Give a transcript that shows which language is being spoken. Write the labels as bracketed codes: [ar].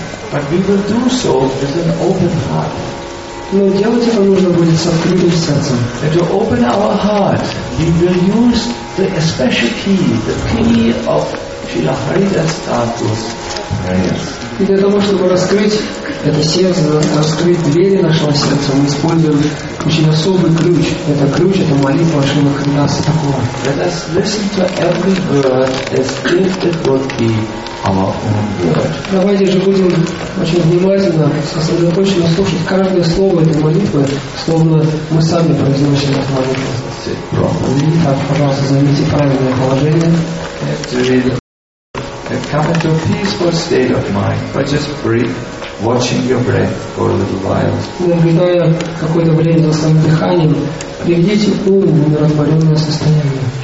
[en] But we will do so with an open heart. [ru] Но делать это нужно будет с открытым сердцем. [en] And to open our heart, we will use the special key, the key of Srila Haridas Thakur's prayers. [ru] И для того, чтобы раскрыть это сердце, раскрыть двери нашего сердца, мы используем очень особый ключ. Это ключ, это молитва Шрила Харидаса Такура. [en] Let us listen to every word as if it would be our own word. [ru] Давайте же будем очень внимательно, сосредоточенно слушать каждое слово этой молитвы, словно мы сами произносим эту молитву. Так, пожалуйста, займите правильное положение. [en] And come into a peaceful state of mind by just breathe, watching your breath for a little while. [ru] Наблюдая какое-то время за своим дыханием, приведите ум в умиротворенное состояние.